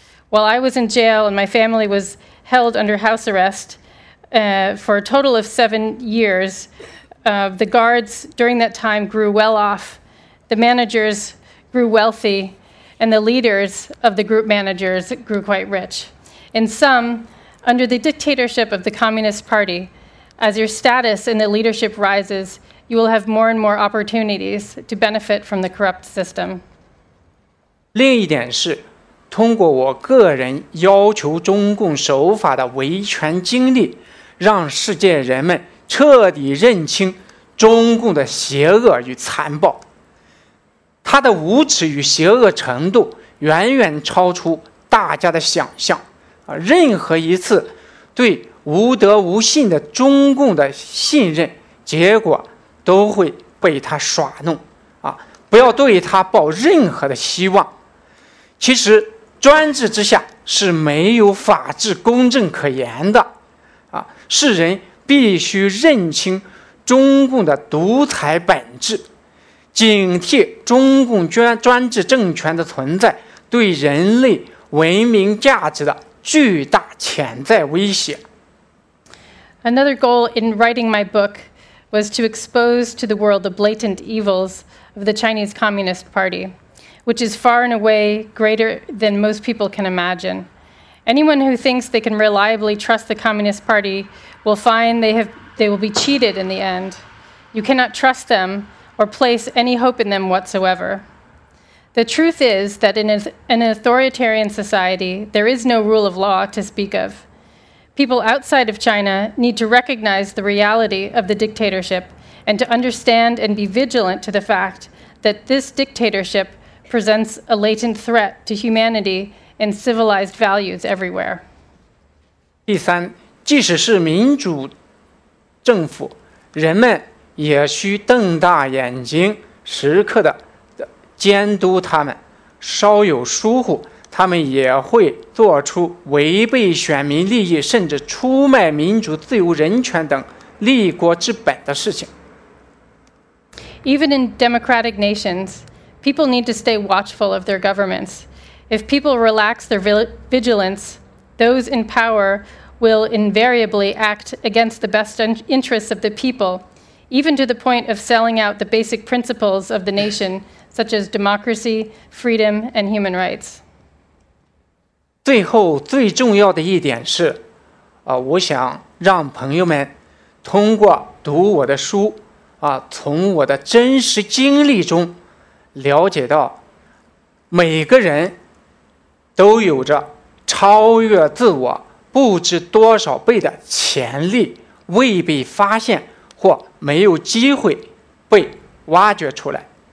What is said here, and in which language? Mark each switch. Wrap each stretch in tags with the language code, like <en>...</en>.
<en>While I was in jail and my family was held under house arrest for a total of 7 years, the guards during that time grew well off, the managers grew wealthy, and the leaders of the group managers grew quite rich. In sum, under the dictatorship of the Communist Party, as your status in the leadership rises, you will have more and more opportunities to benefit from the corrupt system.</en> <zh>另一点是，通过我个人要求中共守法的维权经历，让世界人们彻底认清中共的邪恶与残暴。他的无耻与邪恶程度远远超出大家的想象。任何一次对无德无信的中共的信任，结果都会被他耍弄，不要对他抱任何的希望。其实专制之下是没有法治公正可言的，世人必须认清中共的独裁本质，警惕中共专制政权的存在对人类文明价值的巨大潜在威胁。</zh> <en>Another goal in writing my book was to expose to the world the blatant evils of the Chinese Communist Party, which is far and away greater than most people can imagine. Anyone who thinks they can reliably trust the Communist Party will find they will be cheated in the end. You cannot trust them or place any hope in them whatsoever. The truth is that in an authoritarian society, there is no rule of law to speak of. People outside of China need to recognize the reality of the dictatorship and to understand and be vigilant to the fact that this dictatorship presents a latent threat to humanity and civilized values everywhere.</en> <zh>第三，即使是民主政府，人们也需瞪大眼睛，时刻的监督他们，稍有疏忽，他们也会做出违背选民利益，甚至出卖民主、自由、人权等立国之本的事情。</zh> <en>Even in democratic nations, people need to stay watchful of their governments. If people relax their vigilance, those in power will invariably act against the best interests of the people, even to the point of selling out the basic principles of the nation, such as democracy, freedom, and human rights.</en> <zh>最后最重要的一点是，我想让朋友们通过读我的书，从我的真实经历中了解到，每个人都有着超越自我不知多少倍的潜力，未被发现或没有机会被挖掘出来。</zh>